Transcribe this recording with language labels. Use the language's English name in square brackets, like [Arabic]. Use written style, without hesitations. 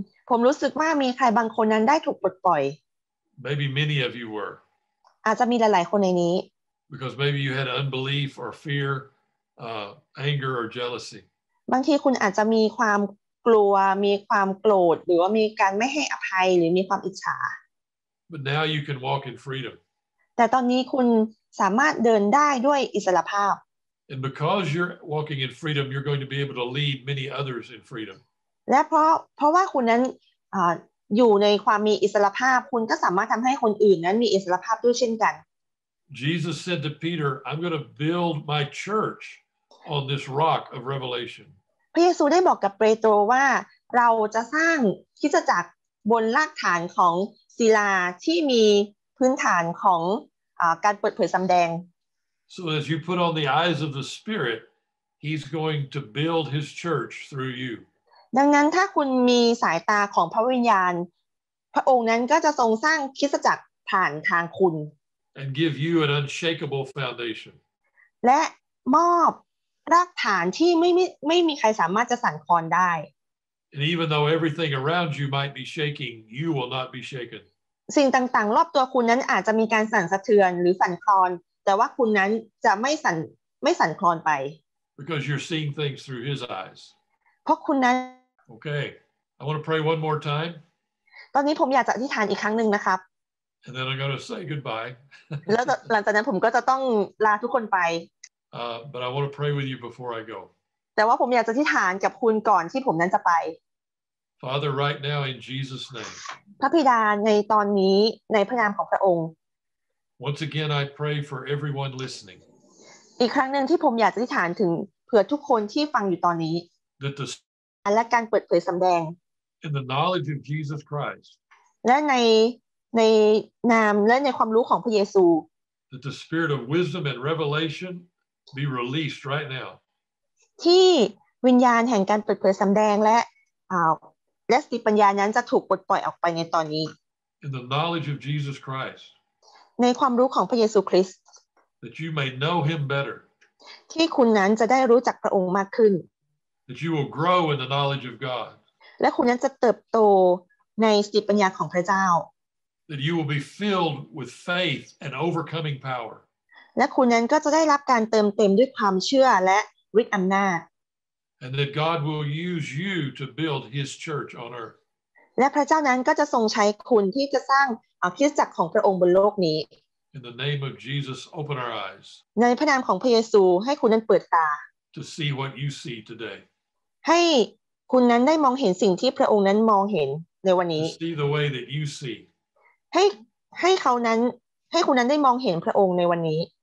[Thai] ผมรู้สึกว่ามีใครบางคนนั้นได้ถูกปลดปล่อย [English] Maybe many of you were [Thai] อาจจะมีหลายๆคนในนี้ [English] Because maybe you had unbelief or fear, anger or jealousy. [Thai] บางทีคุณอาจจะมีความกลัวมีความโกรธหรือว่ามีการไม่ให้อภัยหรือมีความอิจฉา [English] But now you can walk in freedom. [Thai] แต่ตอนนี้คุณสามารถเดินได้ด้วยอิสรภาพ [English] And because you're walking in freedom, you're going to be able to lead many others in freedom. [Thai] และเพราะว่าคุณนั้นอยู่ในความมีอิสรภาพคุณก็สามารถทำให้คนอื่นนั้นมีอิสรภาพด้วยเช่นกัน [English] Jesus said to Peter, "I'm going to build my church on this rock of revelation." [Thai] พระเยซูได้บอกกับเปโตรว่าเราจะสร้างคริสตจักรบนรากฐานของศิลาที่มีพื้นฐานของการเปิดเผยสำแดง [English] So as you put on the eyes of the Spirit, He's going to build His church through you. [Thai] ดังนั้นถ้าคุณมีสายตาของพระวิญญาณพระองค์นั้นก็จะทรงสร้างคริสตจักรผ่านทางคุณ [English] And give you an unshakable foundation. [Thai] และมอบรากฐานที่ไม่มีใครสามารถจะสั่นคลอนได้ [English] And even though everything around you might be shaking, you will not be shaken. [Thai] สิ่งต่างๆรอบตัวคุณนั้นอาจจะมีการสั่นสะเทือนหรือสั่นคลอนแต่ว่าคุณนั้นจะไม่สั่นคลอนไป [English] Because you're seeing things through His eyes. [Thai] เพราะคุณนั้น [English] Okay, I want to pray one more time. [Thai] ตอนนี้ผมอยากจะอธิษฐานอีกครั้งนึงนะครับ [English] And then I'm going to say goodbye. [Thai] แล้วหลังจากนั้นผมก็จะต้องลาทุกคนไป [English] But I want to pray with you before I go. [Thai] แต่ว่าผมอยากจะอธิษฐานกับคุณก่อนที่ผมนั้นจะไป [English] Father, right now in Jesus' name. [Thai] พระบิดาในตอนนี้ในพระนามของพระองค์ [English] Once again, I pray for everyone listening. [Thai] อีกครั้งนึงที่ผมอยากจะอธิษฐานถึงเผื่อทุกคนที่ฟังอยู่ตอนนี้ [English] That the [Thai] และการเปิดเผยสำแดง [English] In the knowledge of Jesus Christ. [Thai] และในนามและในความรู้ของพระเยซู [English] That the spirit of wisdom and revelation. Be released right now. [Thai] ที่วิญญาณแห่งการเปิดเผยสำแดงและสติปัญญานั้นจะถูกปลดปล่อยออกไปในตอนนี้ [English] In the knowledge of Jesus Christ. [Thai] ในความรู้ของพระเยซูคริสต์ [English] That you may know Him better. [Thai] ที่คุณนั้นจะได้รู้จักพระองค์มากขึ้น [English] That you will grow in the knowledge of God. [Thai] และคุณนั้นจะเติบโตในสติปัญญาของพระเจ้า [English] That you will be filled with faith and overcoming power. [Thai] และคุณนั้นก็จะได้รับการเติมเต็มด้วยความเชื่อและฤทธิ์อำนาจ [English] And that God will use you to build His church on earth. [Thai] และพระเจ้านั้นก็จะทรงใช้คุณที่จะสร้างคริสตจักรของพระองค์บนโลกนี้ [English] In the name of Jesus, open our eyes. [Thai] ในพระนามของพระเยซูให้คุณนั้นเปิดตา [English] To see what you see today. [Thai] ให้คุณนั้นได้มองเห็นสิ่งที่พระองค์นั้นมองเห็นในวันนี้ [English] To see the way that you see. [Thai] ให้เขานั้นให้คุณนั้นได้มองเห็นพระองค์ในวันนี้